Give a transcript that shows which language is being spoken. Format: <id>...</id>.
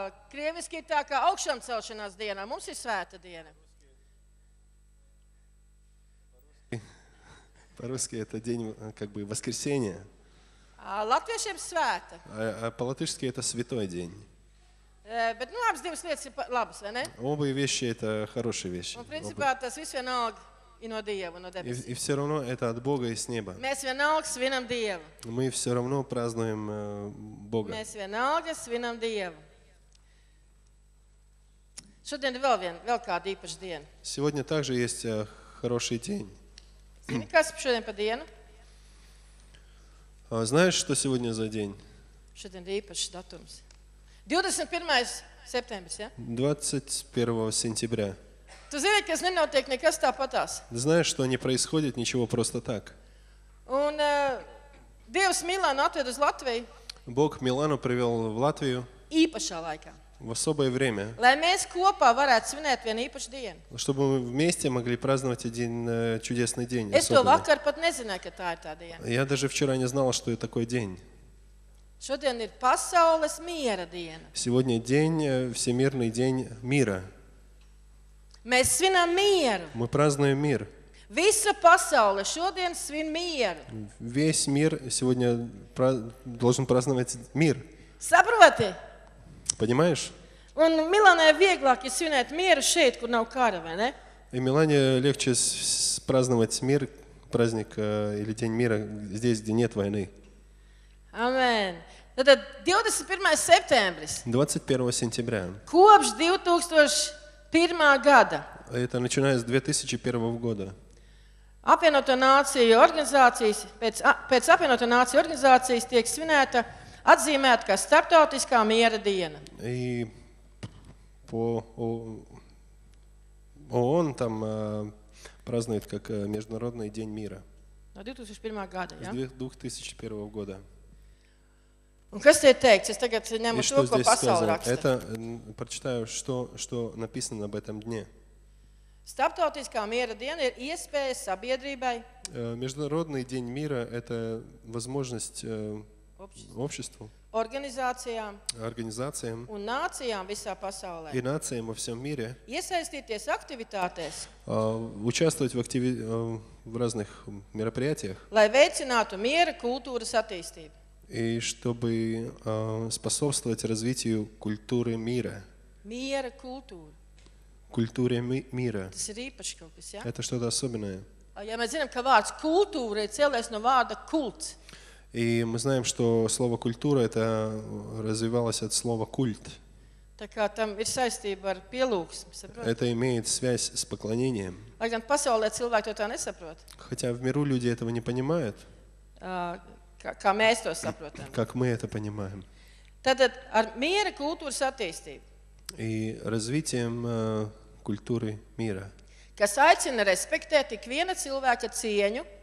<lv>Krieviski tā kā augšāmcelšanās diena. Mums ir svēta diena.</lv> <ru>По-русски это день как бы воскресенье. А латвийским свято. А по-латышски это святой день.</ru> <lv>Bet nu abas divas lietas ir labas, vai ne?</lv> <ru>Obi vieši это хорошие вещи.</ru> <lv>Un principā Obi... tas viss vienalg ir no Dieva, no debesīm.</lv> <ru>И всё равно это от Бога и с неба.</ru> <lv>Mēs vienalg svinam Dievu.</lv> <ru>Мы всё равно празднуем Бога.</ru> <lv>Mēs vienalg svinam Dievu. Šodien vēl vien, vēl kāda īpaša diena.</lv> <ru>Сегодня также есть хороший день.</ru> <lv>Zini, kas šodien pa dienu?</lv> <ru>Знаешь, что сегодня за день?</ru> <lv>Šodien ir īpašs datums. 21. Septembris, ja?</lv> <ru>21. Sentībrā.</ru> <lv>Tu zini, ka es nenotiek nekas tāpatās.</lv> <ru>Знаешь, что не происходит ничего просто так.</ru> <lv>Un Dievs Milānu atved uz Latviju.</lv> <ru>Бог Милану привел в Латвию.</ru> <lv>Īpašā laikā.</lv> <ru>В особое время.</ru> <lv>Lai mēs kopā varētu svinēt vienu īpašu dienu.</lv> <ru>Чтобы мы вместе могли праздновать один чудесный день.</ru> <lv>Es to vakar pat nezināju, ka tā ir tā diena.</lv> <ru>Я даже вчера не знал, что это такой день.</ru> <lv>Šodien ir pasaules miera diena.</lv> <ru>Сегодня день, всемирный день мира.</ru> <lv>Mēs svinām mieru.</lv> <ru>Мы празднуем мир.</ru> <lv>Visa pasaule šodien svin mieru.</lv> <ru>Весь мир сегодня должен праздновать мир.</ru> <lv>Saprotiet?</lv> <ru>Понимаешь?</ru> <lv>Un Milānē vieglāk ir svinēt mieru šeit, kur nav kara, vai ne?</lv> <ru>И Милане легче праздновать мир, праздник или день мира здесь, где нет войны.</ru> <lv>Amen. Tātad 21. septembris.</lv> <ru>21. Sentībrā.</ru> <lv>Kopš 2001. Gada.</lv> <ru>Это начиная с 2001 года.</ru> <lv>Apvienoto nāciju organizācijas, pēc apvienoto nāciju organizācijas tiek svinēta atzīmēt kā starptautiskā miera diena.</lv> <ru>И по ООН там празднует как международный день мира.</ru> <lv>No 2001. Gada, ja?</lv> <ru>2001. Года.</ru> <lv>Un kas te ir teikts? Es tagad ņemu to, ko pasaule raksta.</lv> <ru>Это прочитаю, что написано об этом дне.</ru> <lv>Starptautiskā miera diena ir iespēja sabiedrībai.</lv> <ru>Международный день мира это возможность обществу, организациям</ru> <lv>un nācijām visā pasaulē.</lv> <ru>И нациям во всём мире.</ru> <lv>Iesaistīties aktivitātēs.</lv> <ru>Участвовать в разных мероприятиях.</ru> <lv>Lai veicinātu miera kultūras attīstību.</lv> <ru>И чтобы способствовать развитию культуры мира.</ru> <lv>Miera kultūra.</lv> <ru>Культуре мира.</ru> <lv>Tas ir īpaši kaut kas, ja?</lv> <ru>Это что-то особенное.</ru> <lv>Ja mēs zinām, ka vārds kultūra ir cēlies no vārda kults.</lv> <ru>И мы знаем, что слово культура это развивалось от слова культ. Так как там</ru> <lv>ir saistība ar pielūgsmi, saprotat?</lv> <ru>Это имеет связь с поклонением.</ru> <lv>Lai gan pasaulē cilvēki to tā nesaprot.</lv> <ru>Хотя в миру люди этого не понимают.</ru> <lv>Kā mēs to saprotam?</lv> <ru>Как мы это понимаем?</ru> <lv>Tātad ar miera kultūras attīstību.</lv> <ru>И развитием культуры мира.</ru> <lv>Kas aicina respektēt ik viena cilvēka cieņu.</lv>